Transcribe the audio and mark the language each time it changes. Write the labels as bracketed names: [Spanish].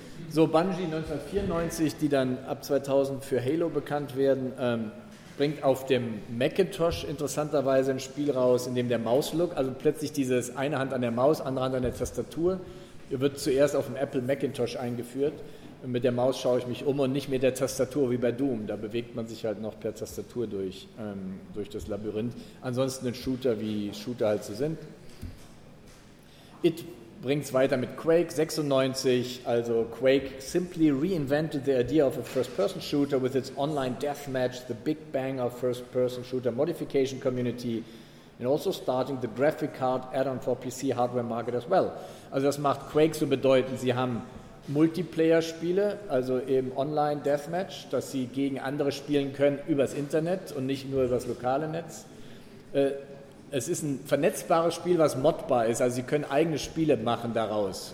[German] So, Bungie 1994, die dann ab 2000 für Halo bekannt werden, bringt auf dem Macintosh interessanterweise ein Spiel raus, in dem der Mauslook, also plötzlich dieses eine Hand an der Maus, andere Hand an der Tastatur, wird zuerst auf dem Apple Macintosh eingeführt. Und mit der Maus schaue ich mich um und nicht mit der Tastatur wie bei Doom. Da bewegt man sich halt noch per Tastatur durch, durch das Labyrinth. Ansonsten ein Shooter, wie Shooter halt so sind. It bringt es weiter mit Quake 96. [English] Also Quake simply reinvented the idea of a first-person shooter with its online deathmatch, the big bang of first-person shooter modification community and also starting the graphic card add-on for PC hardware market as well. [German] Also das macht Quake so bedeutend, sie haben Multiplayer-Spiele, also eben Online-Deathmatch, dass sie gegen andere spielen können übers Internet und nicht nur übers lokale Netz. Es ist ein vernetzbares Spiel, was modbar ist, also sie können eigene Spiele machen daraus.